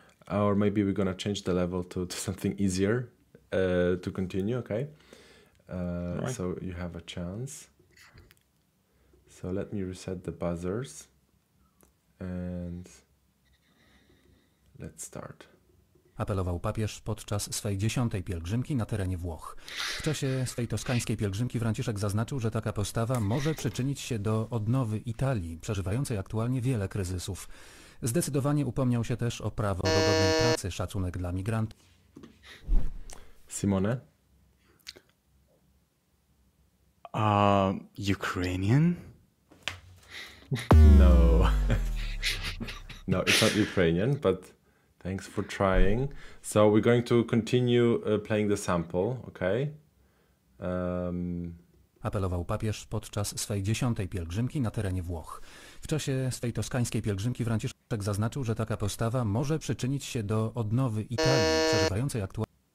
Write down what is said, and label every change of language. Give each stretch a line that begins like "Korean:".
English: Or maybe we're gonna change the level to something easier to continue, okay? Right. So you have a chance. So let me reset the buzzers and let's start.
Polish: Apelował papież podczas swej 10. pielgrzymki na terenie Włoch. W czasie swej toskańskiej pielgrzymki Franciszek zaznaczył, że taka postawa może przyczynić się do odnowy Italii, przeżywającej aktualnie wiele kryzysów. Zdecydowanie upomniał się też o prawo do godnej pracy, szacunek dla migrantów.
English: Simone? Ukrainian? No. No, it's not Ukrainian, but thanks for trying. So we're going to continue playing the sample, okay?
Polish: Apelował papież podczas swej dziesiątej pielgrzymki na terenie Włoch. W czasie swej toskańskiej pielgrzymki Franciszek zaznaczył, że taka postawa może przyczynić się do odnowy Italii, przeżywającej aktualnie...